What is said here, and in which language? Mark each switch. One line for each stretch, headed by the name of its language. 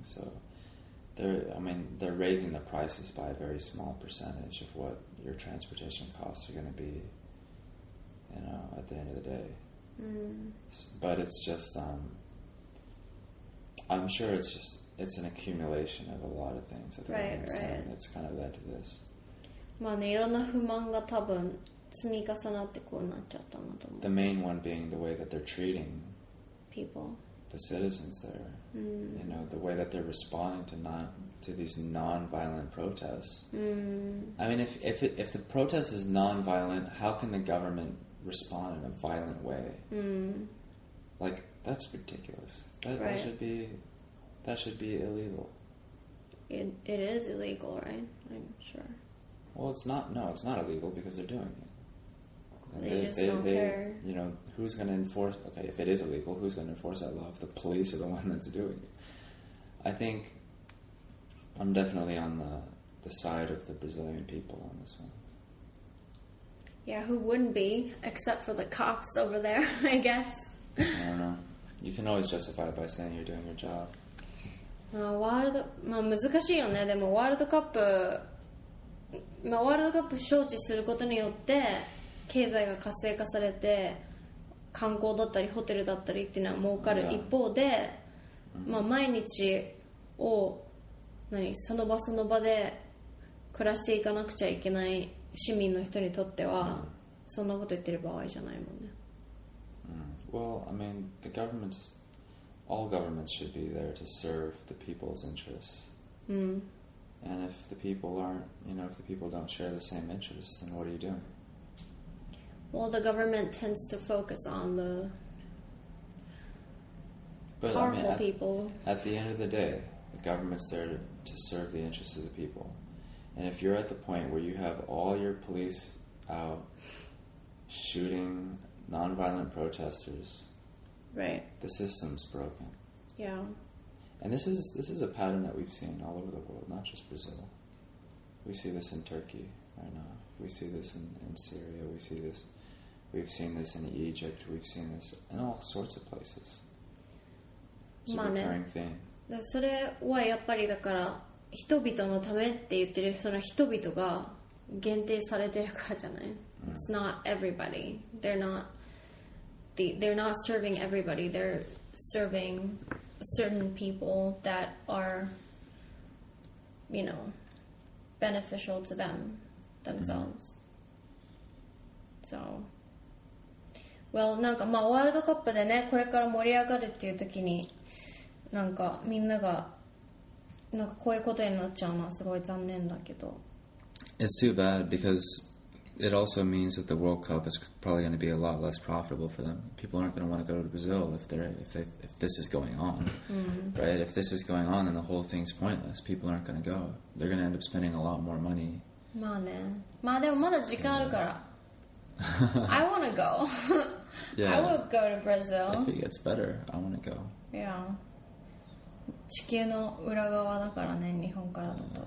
English: So they're raising the prices by a very small percentage of what your transportation costs are going to be. You know, at the end of the day. But it's just, I'm sure it's an accumulation of a lot of things at the same time that's kind of led to this.
Japanese: まあね、いろんな不満が多分積み重なってこうなっちゃったなと思う。
English: The main one being the way that they're treating people, the citizens there. You know, the way that they're responding to these non-violent protests. I mean, if the protest is non-violent, how can the government respond in a violent way? Like, that's ridiculous. That should be illegal. It is illegal, right? I'm sure. Well, it's not. No, it's not illegal because they're doing it. They just don't care. You know, who's going to enforce? Okay, if it is illegal, who's going to enforce that law? If the police are the one that's doing it, I think I'm definitely on the side of the Brazilian people on this one. Yeah, who wouldn't be, except for the cops over there, I guess. I don't know. You can always justify it by saying you're doing your job.
Japanese: まあ、難しいよね。でもワールドカップ、まあ、ワールドカップ招致することによって経済が活性化されて、観光だったりホテルだったりっていうのは儲かる一方で、まあ、毎日を何その場その場で暮らしていかなくちゃいけない市民の人にとっては、そんなこと言ってる場合じゃないもんね。
English: Well, I mean, the government, all governments should be there to serve the people's interests. And if the people aren't, you know, if the people don't share the same interests, then what are you doing? Well, the government tends to focus on the people. At the end of the day, the government's there to serve the interests of the people. And if you're at the point where you have all your police out shooting non-violent protesters, right, the system's broken. Yeah. And this is a pattern that we've seen all over the world, not just Brazil. We see this in Turkey right now. We see this in Syria. We see this. We've seen this in Egypt. We've seen this in all sorts of places. It's a recurring thing.
Japanese: だそれはやっぱりだから人々のためって言ってるその人々が限定されてるからじゃない、mm.
English: It's not everybody. They're not serving everybody. They're serving certain people that are, you know, beneficial to them, themselves. Mm. So...
Japanese: Well, なんかまあワールドカップでねこれから盛り上がるっていう時になんかみんながなんかこういうことになっちゃうのはすごい残念だけど
English: It's too bad because it also means that the World Cup is probably going to be a lot less profitable for them. People aren't going to want to go to Brazil if this is going on,、 mm-hmm. right? If this is going on, then the whole thing's pointless. People aren't going to go. They're going to end up spending a lot more money.
Japanese: まあね。まあでもまだ時間あるから。
English: So,I want to go. Yeah. I will go to Brazil. If it gets better, I want to go. Yeah.
Japanese: 地球の裏側だからね、日本からだと。